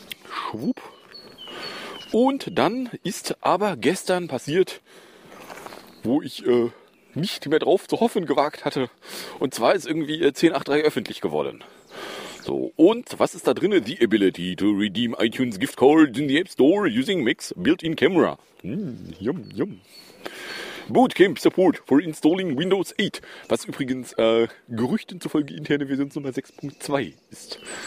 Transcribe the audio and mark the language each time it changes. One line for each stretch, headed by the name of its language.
German: Schwupp. Und dann ist aber gestern passiert, wo ich nicht mehr drauf zu hoffen gewagt hatte. Und zwar ist irgendwie 10.8.3 öffentlich geworden. So, und was ist da drinne?
English: The ability to redeem iTunes gift cards in the App Store using Mac built-in camera. Yum, yum. Bootcamp support for installing Windows 8.
German: Was übrigens Gerüchten zufolge interne Versionsnummer 6.2 ist.